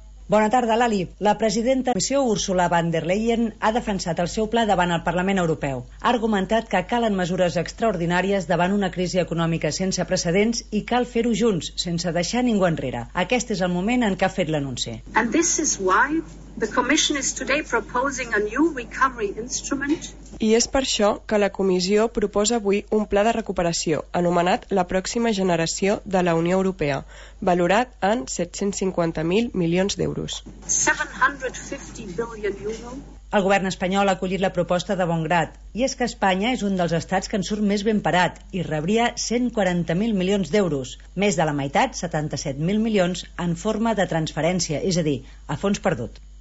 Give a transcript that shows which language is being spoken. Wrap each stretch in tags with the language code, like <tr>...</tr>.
<ca>Bona tarda, Lali. La presidenta de la Comissió, Ursula von der Leyen, ha defensat el seu pla davant el Parlament Europeu. Ha argumentat que calen mesures extraordinàries davant una crisi econòmica sense precedents i cal fer-ho junts, sense deixar ningú enrere. Aquest és el moment en què ha fet l'anunci.</ca> <en>And this is why the Commission is today proposing a new recovery instrument.</en> <ca>I és per això que la Comissió proposa avui un pla de recuperació, anomenat la pròxima generació de la Unió Europea, valorat en 750.000 milions d'euros. El govern espanyol ha acollit la proposta de bon grat, i és que Espanya és un dels estats que en surt més ben parat i rebria 140.000 milions d'euros, més de la meitat, 77.000 milions, en forma de transferència, és a dir, a fons perdut.</ca>